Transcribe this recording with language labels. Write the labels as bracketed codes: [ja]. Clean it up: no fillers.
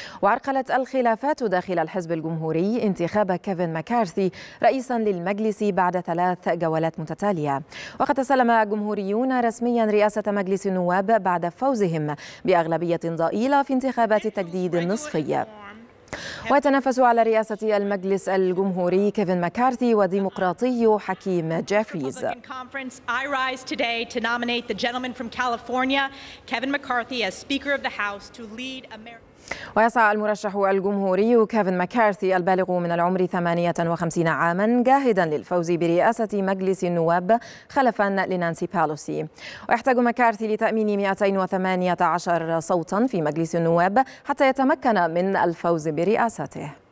[ar] وعرقلت الخلافات داخل الحزب الجمهوري انتخاب كيفن ماكارثي رئيسا للمجلس بعد 3 جولات متتالية. وقد تسلم الجمهوريون رسميا رئاسة مجلس النواب بعد فوزهم بأغلبية ضئيلة في انتخابات التجديد النصفية. ويتنافس على رئاسة المجلس الجمهوري كيفن ماكارثي وديمقراطي حكيم جيفريز. [en] I rise today to nominate the gentleman from California, Kevin McCarthy, as Speaker of the House to lead America. [ar] ويسعى المرشح الجمهوري كيفن ماكارثي البالغ من العمر 58 عاما جاهدا للفوز برئاسة مجلس النواب خلفا لنانسي بالوسي. ويحتاج ماكارثي لتأمين 218 صوتا في مجلس النواب حتى يتمكن من الفوز برئاسته.